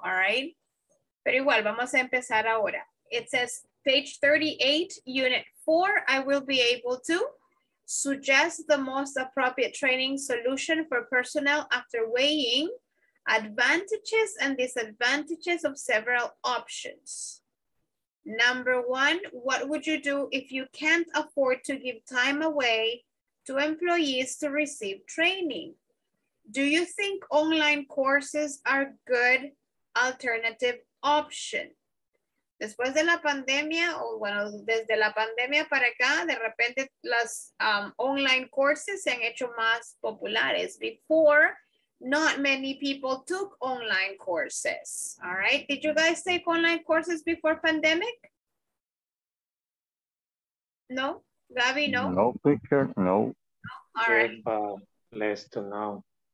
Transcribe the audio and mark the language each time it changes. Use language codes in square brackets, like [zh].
[en] All right. [es] Pero igual, vamos a empezar ahora. [en] It says page 38, unit 4, I will be able to suggest the most appropriate training solution for personnel after weighing advantages and disadvantages of several options. Number one, what would you do if you can't afford to give time away to employees to receive training? Do you think online courses are a good alternative option? [es] Después de la pandemia, o bueno, desde la pandemia para acá, de repente las online courses se han hecho más populares. [en] Before, not many people took online courses, all right? Did you guys take online courses before pandemic? No, Gabby, no. No picture, no. All right. Less to know.